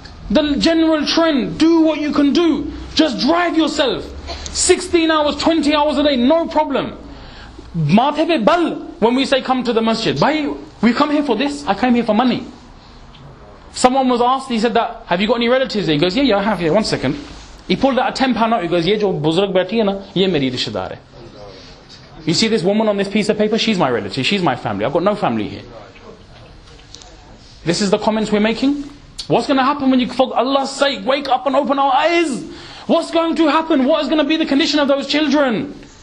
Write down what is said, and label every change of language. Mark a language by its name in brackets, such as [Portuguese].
[English] The general trend, do what you can do, just drive yourself, 16 hours, 20 hours a day, no problem. Martebe bal, when we say come to the masjid, bhai, we come here for this, I came here for money. Someone was asked, he said that, have you got any relatives there? He goes, yeah, I have here, 1 second. [Urdu] He pulled out a £10 note, he goes, یہ جو بزرگ بیٹھی ہے نا، یہ میری رشتیدار ہے. [English] You see this woman on this piece of paper? She's my relative, she's my family, I've got no family here. This is the comments we're making? What's going to happen when you, for Allah's sake, wake up and open our eyes? What's going to happen? What is going to be the condition of those children?